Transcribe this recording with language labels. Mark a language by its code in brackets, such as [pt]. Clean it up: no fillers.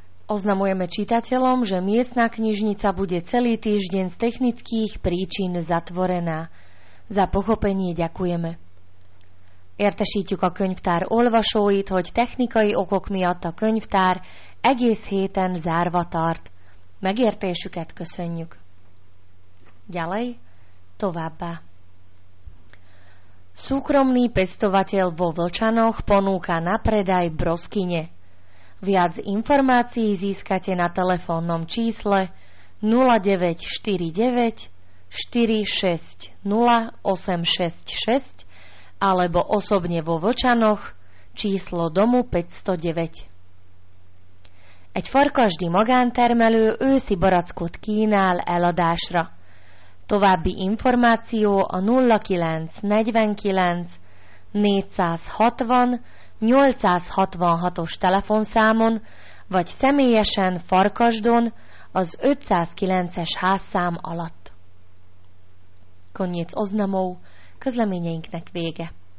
[sk] Oznamujeme čitateľom, že miestna knižnica bude celý týždeň z technických príčin zatvorená. Za pochopenie ďakujeme. [hu] Értesítjük a könyvtár olvasóit, hogy technikai okok miatt a könyvtár egész héten zárva tart. Megértésüket köszönjük. [sk] Ďalej, [hu] továbbá. [sk] Súkromný pestovateľ vo Vlčanoch ponúka na predaj broskyne. Viac informácií získate na telefónnom čísle 0949 460 0866 alebo osobne vo Vlčanoch číslo domu 509. [hu] Egy farkasdi magántermelő őszi barackot kínál eladásra. További információ a 0949 460 866-os telefonszámon, vagy személyesen Farkasdon az 509-es házszám alatt. Konnyit oznamó, közleményeinknek vége.